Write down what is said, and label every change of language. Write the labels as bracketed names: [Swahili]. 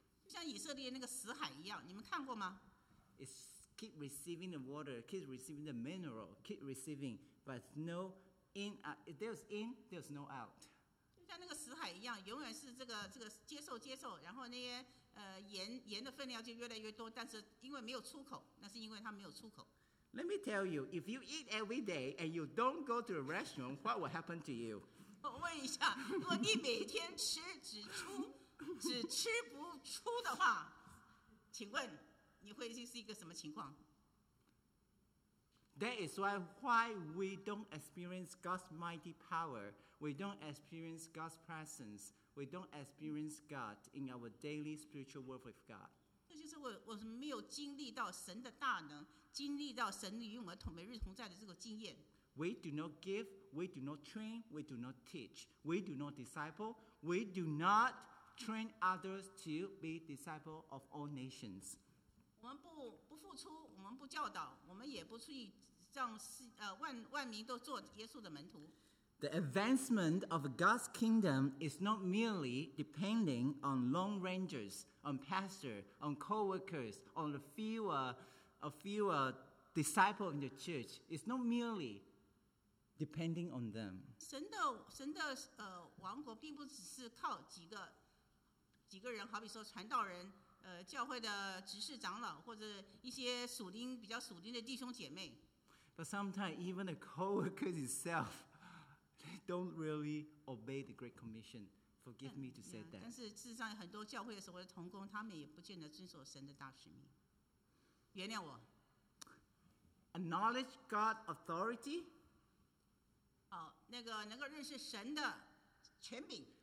[Chinese] 就像以色列那个死海一样，你们看过吗 [English] ？It's keep receiving the water, keep receiving the mineral, keep receiving, but no in there's in there's no out. [Chinese] 像那个死海一样，永远是这个接受接受，然后那些盐的分量就越来越多，但是因为没有出口，那是因为它没有出口。 [English] Let me tell you, if you eat every day and you don't go to a restaurant, what will happen to you? [Chinese] 我问一下，如果你每天吃只吃不出的话，请问你会是一个什么情况？ [English] That is why we don't experience God's mighty power. We don't experience God's presence. We don't experience God in our daily spiritual work with God. [Chinese] 这就是我没有经历到神的大能，经历到神与我们同每日同在的这个经验。 [English] We do not give. We do not train. We do not teach. We do not disciple. We do not train others to be disciple of all nations. [Chinese] 我们不付出，我们不教导，我们也不出去让万民都做耶稣的门徒。 [English] The advancement of God's kingdom is not merely depending on long rangers, on pastors, on co-workers, on a few disciples in the church. It's not merely depending on them. [Chinese] 神的王国并不只是靠几个人，好比说传道人，教会的执事长老，或者一些属灵比较属灵的弟兄姐妹。 [English] But sometimes even the co-workers itself. They don't really obey the Great Commission. Forgive me to say that. [Chinese] 但是事实上，很多教会的所谓的同工，他们也不见得遵守神的大使命。原谅我。 [English] Acknowledge God's authority. [Chinese] 好，那个能够认识神的权柄。